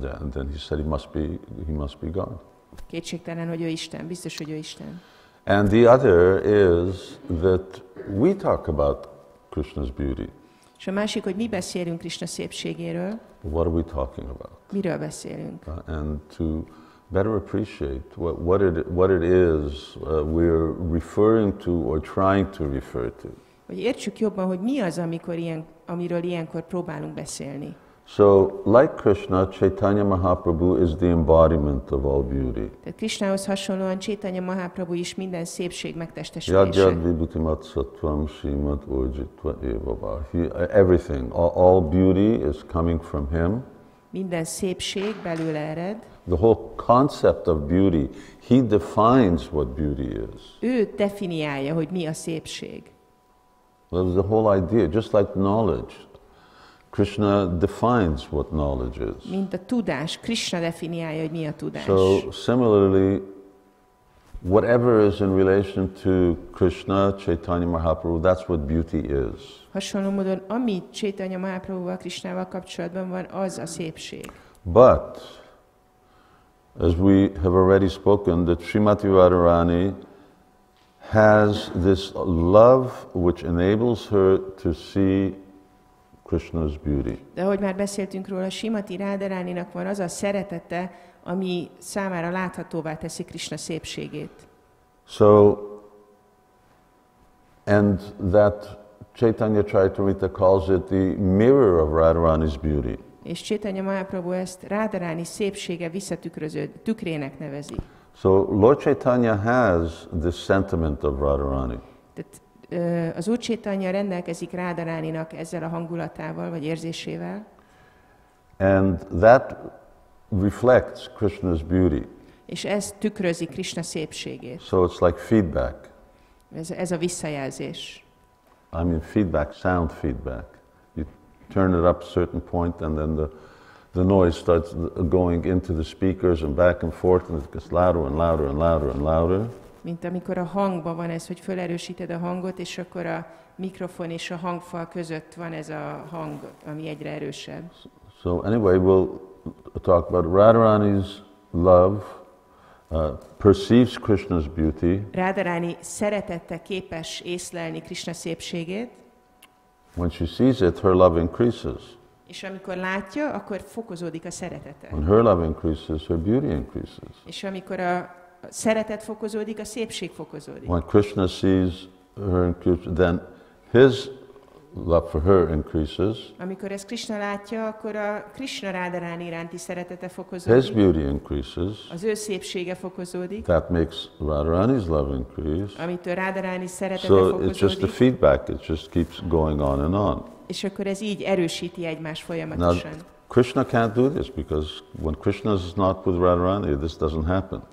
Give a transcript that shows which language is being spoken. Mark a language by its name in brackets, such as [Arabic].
[English] Then he said he must be God. [Hungarian] Kétségtelen, hogy ő Isten, biztos, hogy ő Isten. [English] And the other is that we talk about Krishna's beauty. [Hungarian] És a másik, hogy mi beszélünk Krishna szépségéről. [English] What are we talking about? [Hungarian] Miről beszélünk? [English] And to better appreciate what it is we're referring to or trying to refer to. [Hungarian] Hogy értsük jobban, hogy mi az, amiről ilyenkor próbálunk beszélni. [English] So, like Krishna, Chaitanya Mahaprabhu is the embodiment of all beauty. [Hungarian] Tehát Krishnához hasonlóan Chaitanya Mahaprabhu is minden szépség megtestesülése. [Sanskrit] Yajjad vibhuti mat sattvam srimat urjitva eva bhavi. [English] Everything, all beauty is coming from him. [Hungarian] Minden szépség belőle ered. [English] The whole concept of beauty, he defines what beauty is. [Hungarian] Ő definiálja, hogy mi a szépség. [English] That was the whole idea, just like knowledge. Krishna defines what knowledge is. [Hungarian] Mint a tudás, Krishna definiálja, hogy mi a tudás. [English] So similarly, whatever is in relation to Krishna, Chaitanya Mahaprabhu, that's what beauty is. [Hungarian] Hasonló módon, ami Chaitanya Mahaprabhuval, Krishnával kapcsolatban van, az a szépség. [English] But, as we have already spoken, that Srimati Radharani has this love which enables her to see Krishna's beauty. [Hungarian] De ahogy már beszéltünk róla, Srimati Rádaráninak van az a szeretete, ami számára láthatóvá teszi Krishna szépségét. [English] So, and that Chaitanya Charitamrita calls it the mirror of Radharani's beauty. [Hungarian] És Chaitanya Mahaprabhu ezt Rádaráni szépsége visszatükröző tükrének nevezi. [English] So Lord Chaitanya has this sentiment of Radharani. [Hungarian] Az Úr Chaitanya rendelkezik Radharaninak ezzel a hangulatával vagy érzésével. [English] And that reflects Krishna's beauty. [Hungarian] És ez tükrözi Krishna szépségét. [English] So it's like feedback. [Hungarian] Ez a visszajelzés. [English] I mean feedback, sound feedback. You turn it up a certain point and then the noise starts going into the speakers and back and forth, and it gets louder and louder and louder and louder. [Hungarian] mint amikor a hangban van ez, hogy felerősíted a hangot, és akkor a mikrofon és a hangfal között van ez a hang, ami egyre erősebb. [English] So anyway, we'll talk about Radharani's love, perceives Krishna's beauty. [Hungarian] Radharani szeretette képes észlelni Krishna szépségét. [English] When she sees it, her love increases. [Hungarian] És amikor látja, akkor fokozódik a szeretete. [English] When her love increases, her beauty increases. [Hungarian] És amikor a szeretet fokozódik, a szépség fokozódik. [English] When Krishna sees her, then his love for her increases. [Hungarian] Amikor ezt Krishna látja, akkor a Krishna Radharani iránti szeretete fokozódik. [English] His beauty increases. [Hungarian] Az ő szépsége fokozódik. [English] That makes Radharani's love increase. [Hungarian] Amitől Radharani szeretete so fokozódik. [English] So it's just a feedback. It just keeps going on and on. [Hungarian] És akkor ez így erősíti egymás folyamatosan. [English] Now, Krishna can't do this because when Krishna is not with Radharani, this doesn't happen.